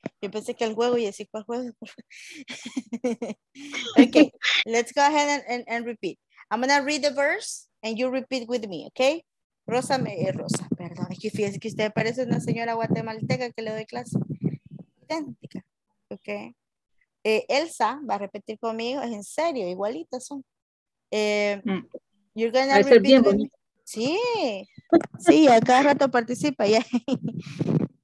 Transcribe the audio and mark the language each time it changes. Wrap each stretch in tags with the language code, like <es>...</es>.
<es>Yo pensé que el juego y así cuál juego.</es> <en>Okay, let's go ahead and repeat. I'm gonna read the verse and you repeat with me, okay?</en> <es>Rosa, Rosa, perdón, es que fíjense que usted parece una señora guatemalteca que le doy clase. Idéntica, okay. Elsa va a repetir conmigo, es en serio, igualitas son.</es> <en>You're gonna repeat bien, with me.</en> <es>Sí, sí, a cada rato participa, ya.</es> <en>Yeah.</en>